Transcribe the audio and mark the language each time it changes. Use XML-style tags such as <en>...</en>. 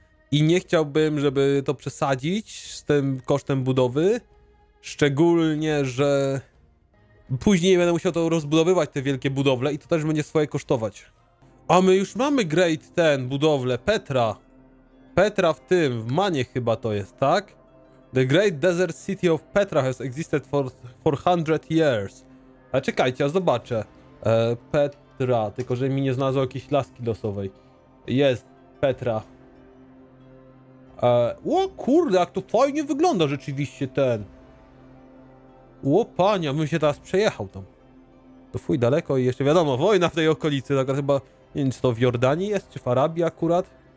<pl>I nie chciałbym, żeby to przesadzić z tym kosztem budowy. Szczególnie, że później będę musiał to rozbudowywać, te wielkie budowle, i to też będzie swoje kosztować. A my już mamy great ten, budowlę Petra. Petra w tym, w Manie chyba to jest, tak?</pl> <en>The Great Desert City of Petra has existed for 400 years.</en> <pl>A czekajcie, ja zobaczę. Petra, tylko że mi nie znalazło jakiejś laski losowej. Jest Petra. O kurde, jak to fajnie wygląda rzeczywiście ten. O panie, bym się teraz przejechał tam. To fuj, daleko i jeszcze wiadomo, wojna w tej okolicy. Tak chyba, nie wiem, czy to w Jordanii jest, czy w Arabii akurat.</pl>